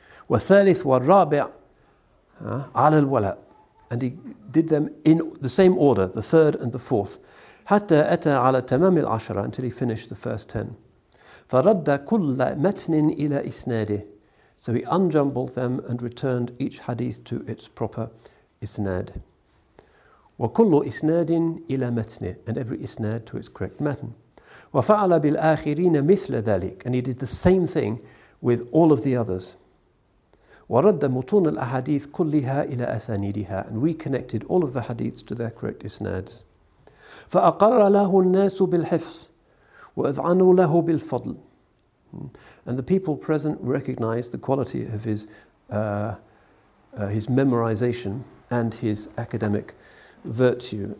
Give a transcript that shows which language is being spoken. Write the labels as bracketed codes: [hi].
[ar] والثالث والرابع على الولاء, [en] and he did them in the same order, the third and the fourth. [ar] حتى أتى على تمام العشرة, [en] until he finished the first 10. [ar] فرد كل متن إلى إسناده, [en] so he unjumbled them and returned each hadith to its proper إسناد. [ar] وكل إسناد إلى متنه, [en] and every إسناد to its correct متن. [ar] وفعل بالآخرين مثل ذلك, [en] and he did the same thing with all of the others. [ar] ورد متون الأحاديث كلها إلى أسانيدها, [en] and reconnected all of the hadiths to their correct إسنادs. [ar] فأقر له الناس بالحفظ وأذعنوا له بالفضل, [en] and the people present recognized the quality of his memorization and his academic virtue.